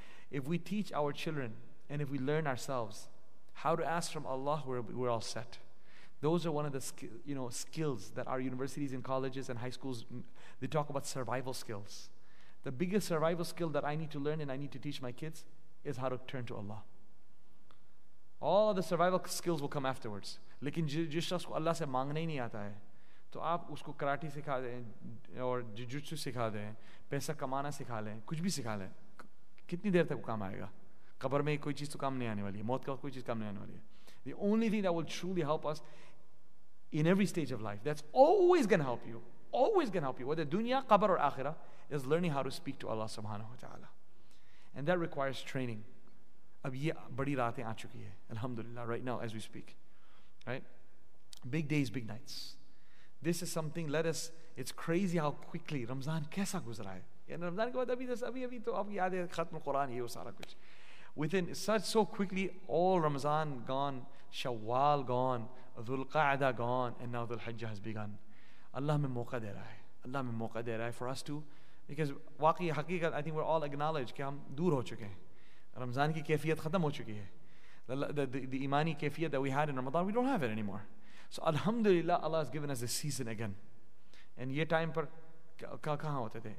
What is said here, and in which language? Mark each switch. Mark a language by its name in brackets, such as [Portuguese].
[English] If we teach our children and if we learn ourselves how to ask from Allah, we're all set. Those are one of the skills that our universities and colleges and high schools, they talk about survival skills. The biggest survival skill that I need to learn and I need to teach my kids is how to turn to Allah. All the survival skills will come afterwards. [Urdu] لیکن جس شخص کو اللہ سے مانگنا ہی نہیں آتا ہے، تو آپ اسکو کراٹے سکھا دیں اور جوجتسو سکھا دیں، پیسہ کمانا سکھا لے، کچھ بھی سکھا لے، کتنی دیر تک وہ کام آئے گا؟ قبر میں کوئی چیز تو کام نہیں آنے والی ہے، موت کا کوئی چیز کام نہیں آنے والی ہے۔ [English] The only thing that will truly help us in every stage of life, that's always going to help you, whether dunya, qabar or akhirah, is learning how to speak to Allah subhanahu wa ta'ala. And that requires training. [Urdu] اب یہ بڑی راتیں آ چکی ہے، الحمدللہ، [English] right now as we speak, right? Big days, big nights. This is something, it's crazy how quickly [Urdu] Ramzan kaisa guzra hai. And رمضان کے بعد ابھی دس، ابھی تو ابھی یاد ہے ختم قرآن، یہ سارا کچھ۔ [English] Within such so quickly, all Ramzan gone, Shawwal gone, Dhul Qaada gone, and now Dhul Hajjah has begun. [Urdu] اللہ میں موقع دے رہا ہے۔ اللہ میں موقع دے رہا ہے [English] for us to, because [Urdu] واقعی حقیقت, [English] I think we're all acknowledged [Urdu] کی ہم دور ہو چکے ہیں۔ رمضان کی کیفیت ختم ہو چکی ہے۔ [English] The imani kaifiyat that we had in Ramadan, we don't have it anymore. So alhamdulillah, Allah has given us a season again. [Urdu] And یہ ٹائم پر کہاں ہوتے تھے؟